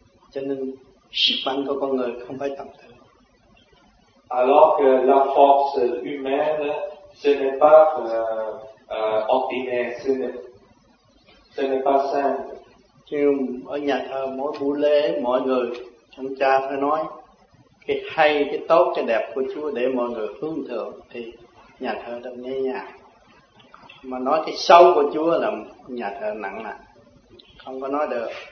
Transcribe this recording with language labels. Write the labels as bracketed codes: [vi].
[vi] Cho nên sức mạnh của con người không phải tầm thường. [fr] Alors que la force humaine, ce n'est pas ordinaire, ce n'est pas simple. [vi] Chứ ở nhà thờ mỗi buổi lễ mọi người ông cha phải nói cái hay, cái tốt, cái đẹp của Chúa để mọi người hướng thượng thì nhà thờ đâm nhẹ nhàng. Mà nói cái xấu của Chúa là nhà thờ nặng nặng, không có nói được.